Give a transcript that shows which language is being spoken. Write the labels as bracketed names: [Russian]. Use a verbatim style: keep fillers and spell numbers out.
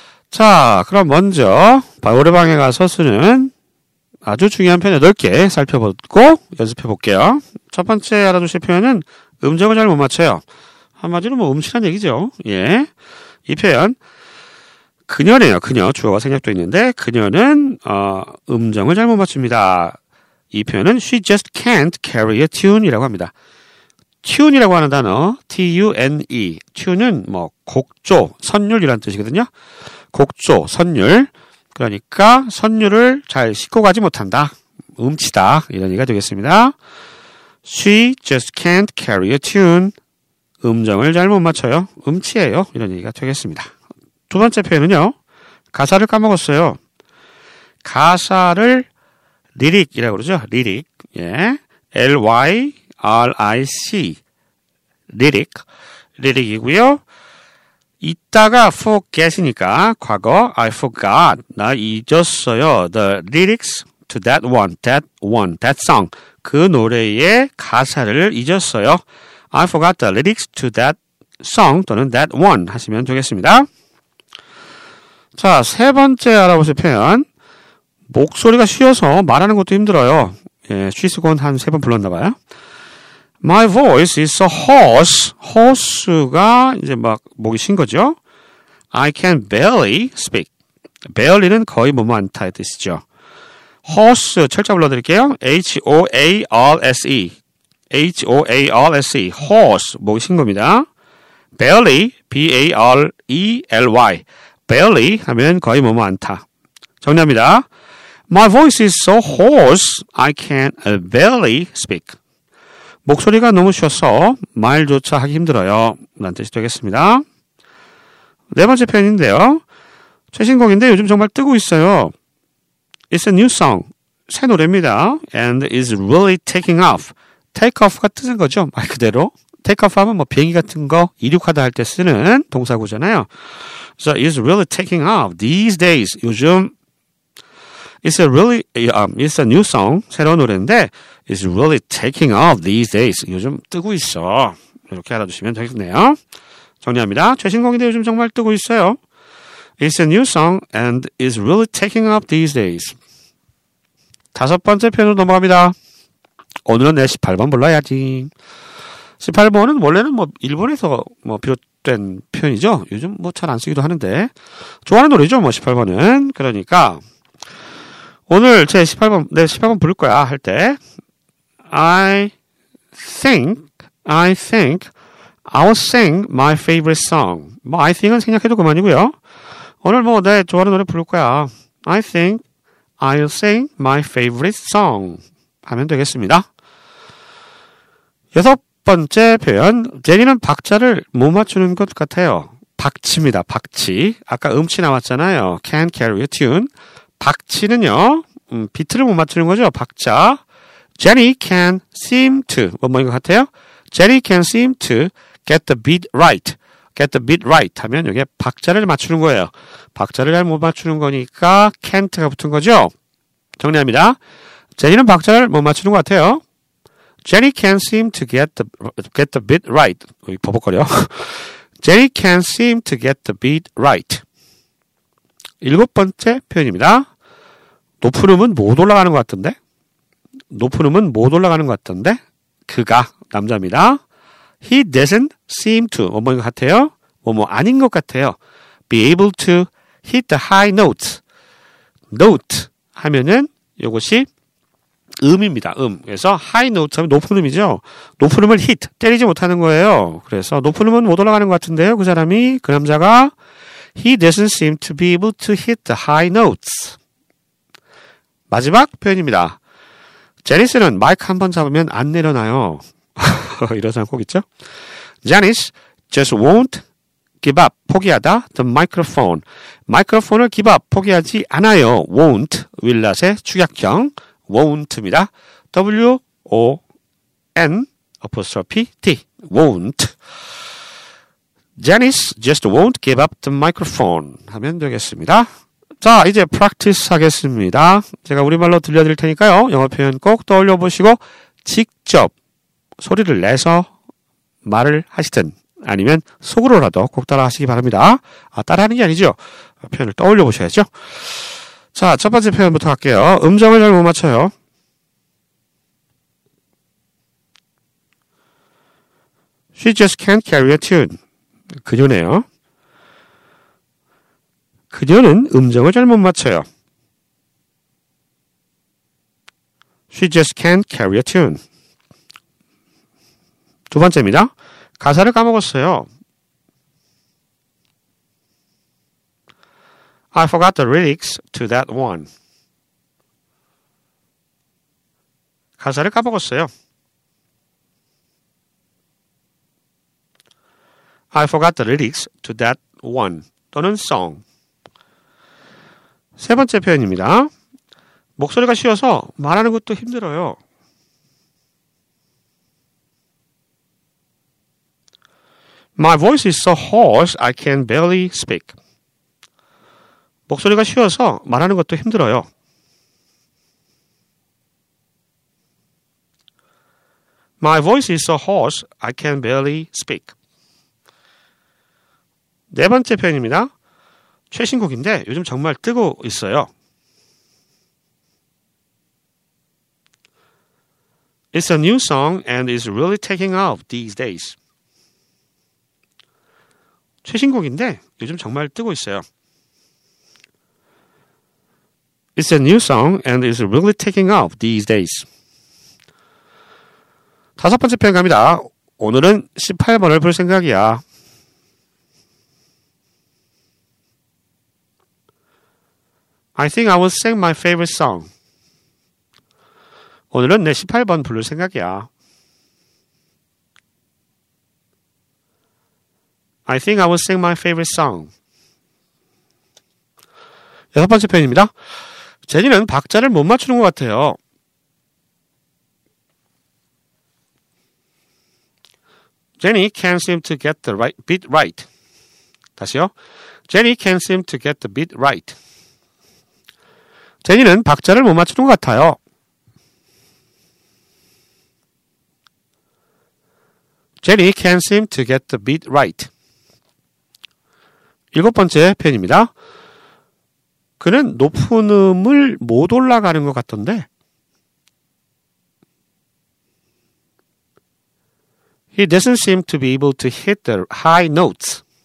[Korean] 자, 그럼 먼저 노래방에 가서 쓰는 아주 중요한 표현 여덟 개 살펴보고 연습해 볼게요. 첫 번째 알아두실 표현은 음정을 잘 못 맞춰요. 한마디로 뭐 음치란 얘기죠. 예, 이 표현 그녀네요. 그녀 주어가 생략돼 있는데 그녀는 어, 음정을 잘 못 맞춥니다. 이 표현은 [English] she just can't carry a tune이라고 합니다. [Korean] tune이라고 하는 단어, T-U-N-E. tune은 뭐 곡조, 선율이라는 뜻이거든요. 곡조, 선율. 그러니까 선율을 잘 싣고 가지 못한다. 음치다. 이런 얘기가 되겠습니다. [English] She just can't carry a tune. [Korean] 음정을 잘 못 맞춰요. 음치예요. 이런 얘기가 되겠습니다. 두 번째 표현은요. 가사를 까먹었어요. 가사를 리릭이라고 그러죠. 리릭. 예. L-Y 알 아이 씨 리릭 리릭이고요. 이따가 forget이니까 과거 [English] I forgot [Korean] 나 잊었어요. [English] The lyrics to that one, that one, that song [Korean] 그 노래의 가사를 잊었어요. [English] I forgot the lyrics to that song 또는 that one [Korean] 하시면 되겠습니다. 자, 세 번째 알아보실 표현 목소리가 쉬어서 말하는 것도 힘들어요. 예, 쉬스곤 한 세 번 불렀나 봐요. [English] My voice is so hoarse. [Korean] hoarse가 이제 막 목이 쉰 거죠. [English] I can barely speak. [Korean] barely는 거의 못만다의 뜻이죠. hoarse, 철자 불러드릴게요. [English] H-O-A-R-S-E. H-O-A-R-S-E. [Korean] hoarse, 목이 쉰 겁니다. [English] barely, B-A-R-E-L-Y. [Korean] barely 하면 거의 못만다. 정리합니다. [English] My voice is so hoarse, I can barely speak. [Korean] 목소리가 너무 쉬어서 말조차 하기 힘들어요. 라는 뜻이 되겠습니다. 네 번째 표현인데요. 최신곡인데 요즘 정말 뜨고 있어요. [English] It's a new song. [Korean] 새 노래입니다. [English] And is really taking off. [Korean] Take off가 뜨는 거죠. 말 그대로. Take off 하면 뭐 비행기 같은 거 이륙하다 할 때 쓰는 동사구잖아요. [English] So it's really taking off these days. [Korean] 요즘 [English] It's a really, um, it's a new song. [Korean] 새로운 노래인데, [English] it's really taking off these days. [Korean] 요즘 뜨고 있어. 이렇게 알아두시면 되겠네요. 정리합니다. 최신곡인데 요즘 정말 뜨고 있어요. [English] It's a new song and is really taking off these days. [Korean] 다섯 번째 표현으로 넘어갑니다. 오늘은 내 십팔 번 불러야지. 십팔 번은 원래는 뭐, 일본에서 뭐, 비롯된 표현이죠. 요즘 뭐 잘 안 쓰기도 하는데. 좋아하는 노래죠, 뭐, 십팔 번은. 그러니까, 오늘 제 십팔 번, 내 십팔 번 부를 거야 할 때 [English] I think, I think I'll sing my favorite song. [Korean] 뭐 I think은 생략해도 그만이고요. 오늘 뭐 내 좋아하는 노래 부를 거야. [English] I think I'll sing my favorite song [Korean] 하면 되겠습니다. 여섯 번째 표현, 제니는 박자를 못 맞추는 것 같아요. 박치입니다. 박치. 아까 음치 나왔잖아요. Can't carry a tune. 박치는요, 음, 비트를 못 맞추는 거죠. 박자. [English] Jenny can seem to, [Korean] 뭐, 뭐인 것 같아요? [English] Jenny can seem to get the beat right. [Korean] get the beat right 하면 여기에 박자를 맞추는 거예요. 박자를 잘 못 맞추는 거니까 can't가 붙은 거죠. 정리합니다. 제니는 박자를 못 맞추는 것 같아요. [English] Jenny can seem to get the, get the beat right. [Korean] 버벅거려. [English] Jenny can seem to get the beat right. [Korean] 일곱 번째 표현입니다. 높은 음은 못 올라가는 것 같던데? 높은 음은 못 올라가는 것 같던데? 그가, 남자입니다. [English] He doesn't seem to, [Korean] 뭐뭐인 것 같아요? 뭐뭐 아닌 것 같아요. [English] Be able to hit the high note. [Korean] Note 하면은 이것이 음입니다. 음. 그래서 high note 하면 높은 음이죠. 높은 음을 hit, 때리지 못하는 거예요. 그래서 높은 음은 못 올라가는 것 같은데요. 그 사람이, 그 남자가 [English] He doesn't seem to be able to hit the high notes. [Korean] 마지막 표현입니다. 제니스는 마이크 한번 잡으면 안 내려놔요. 이런 사람 꼭 있죠? [English] Janice just won't give up, [Korean] 포기하다, [English] the microphone. [Korean] 마이크로폰을 give up, 포기하지 않아요. won't, will not의 축약형 won't입니다. [English] W-O-N, apostrophe T, won't. Janice just won't give up the microphone [Korean] 하면 되겠습니다. 자, 이제 practice 하겠습니다. 제가 우리말로 들려드릴 테니까요. 영어 표현 꼭 떠올려 보시고 직접 소리를 내서 말을 하시든 아니면 속으로라도 꼭 따라 하시기 바랍니다. 아, 따라하는 게 아니죠. 표현을 떠올려 보셔야죠. 자, 첫 번째 표현부터 갈게요. 음정을 잘 못 맞춰요. [English] She just can't carry a tune. [Korean] 그녀네요. 그녀는 음정을 잘 못 맞춰요. [English] She just can't carry a tune. [Korean] 두 번째입니다. 가사를 까먹었어요. [English] I forgot the lyrics to that one. [Korean] 가사를 까먹었어요. [English] I forgot the lyrics to that one. [Korean] 또는 song. 세 번째 표현입니다. 목소리가 쉬어서 말하는 것도 힘들어요. [English] My voice is so hoarse, I can barely speak. [Korean] 목소리가 쉬어서 말하는 것도 힘들어요. [English] My voice is so hoarse, I can barely speak. [Korean] 네 번째 표현입니다. 최신곡인데 요즘 정말 뜨고 있어요. [English] It's a new song and is really taking off these days. [Korean] 최신곡인데 요즘 정말 뜨고 있어요. [English] It's a new song and is really taking off these days. [Korean] 다섯 번째 표현 갑니다. 오늘은 십팔 번을 볼 생각이야. [English] I think I will sing my favorite song. [Korean] 오늘은 내 십팔 번 부를 생각이야. [English] I think I will sing my favorite song. [Korean] 여섯 번째 표현입니다. 제니는 박자를 못 맞추는 것 같아요. [English] Jenny can't seem to get the right beat right. [Korean] 다시요. [English] Jenny can't seem to get the beat right. [Korean] 제니는 박자를 못 맞추는 것 같아요. [English] Jenny can't seem to get the beat right. [Korean] 일곱 번째 표현입니다. 그는 높은 음을 못 올라가는 것 같던데. [English] He doesn't seem to be able to hit the high notes.